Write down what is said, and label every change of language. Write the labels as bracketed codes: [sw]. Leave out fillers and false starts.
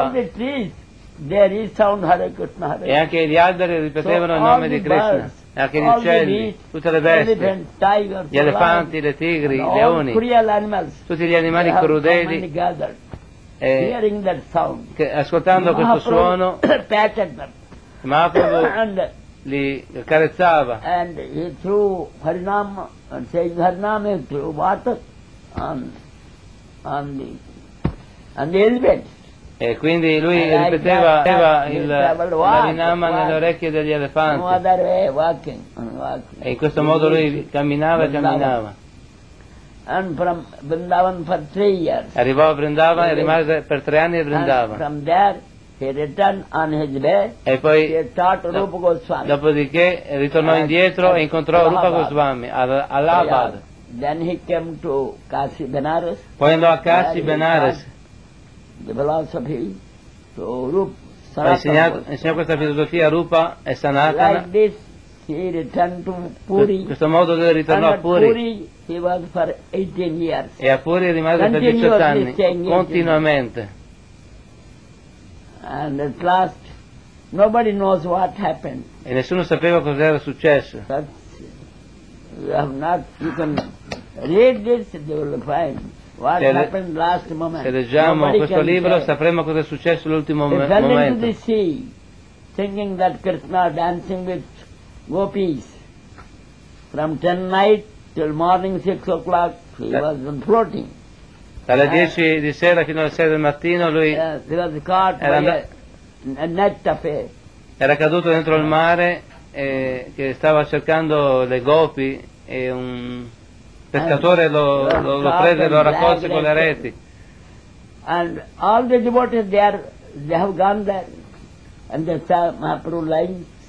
[en] All the trees, they resound Hare Krishna, Hare Krishna. [it] E anche gli alberi ripetevano il nome di Krishna. [en] Birds, [it] e anche gli uccelli, tutte le bestie, [en] tigers, [it] gli elefanti, le tigri, i leoni, [en] cruel animals, [it] tutti gli animali crudeli. [en] Hearing that sound, [it] che, ascoltando questo suono, Mahaprabhu li carezzava. [en] And he threw Harinam, saying Harinam, he threw water on the elephants. [it] E quindi lui ripeteva il Harinama nelle orecchie degli elefanti. E in questo modo lui camminava e camminava. Arrivò a Vrindavan e rimase per 3 anni a Vrindavan. E poi, dopodiché, ritornò indietro e incontrò Rupa Goswami ad Allahabad. [en] Then he came to Kashi Benares. [it] Poi andò a Kashi Benares. [en] The philosophy to Rupa [it] Sanatana. Insegnò questa filosofia Rupa e Sanatana. [en] Like this, he returned to Puri. [it] Questo modo lui ritornò a Puri. [en] Puri he was for 18 years. [it] E a Puri rimase per 18 anni, continuamente. [en] And at last, nobody knows what happened. [it] E nessuno sapeva cosa era successo. [en] You have not, you can read this, you will find what happened last moment. [it] Se leggiamo questo libro sapremo cosa è successo l'ultimo momento. [en] He fell into the sea, thinking that Krishna dancing with gopis. From 10 night till morning 6 o'clock he was floating. [it] Dalle 10 di sera fino alle 6 del mattino lui [en] was caught by a net of a, [it] era caduto dentro il mare. Che stava cercando le gopi e un pescatore lo prese e lo raccolse con le reti. [en] And all the devotees there, they have gone there and they saw Mahaprabhu lying.